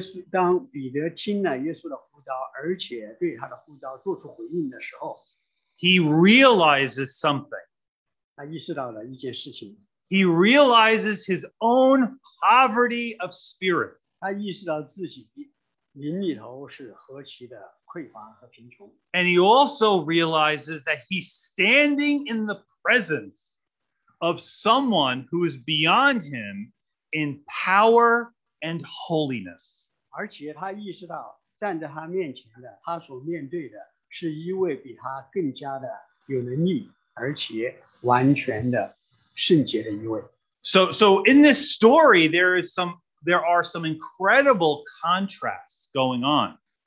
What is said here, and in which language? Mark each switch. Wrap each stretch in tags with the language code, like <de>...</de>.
<zh>当彼得听了耶稣的呼召，而且对他的呼召做出回应的时候，</zh> <en>he realizes something.</en> <zh>他意识到了一件事情。</zh> <en>He realizes his own poverty of spirit.</en> <zh>他意识到自己灵里头是何其的匮乏和贫穷。</zh> <en>And he also realizes that he's standing in the presence of someone who is beyond him in power and holiness.</en> <zh>而且他意识到站在他面前的他所面对的是一位比他更加的有能力而且完全的圣洁的一位。</zh> <en>So in this story, there are some incredible contrasts going on.</en>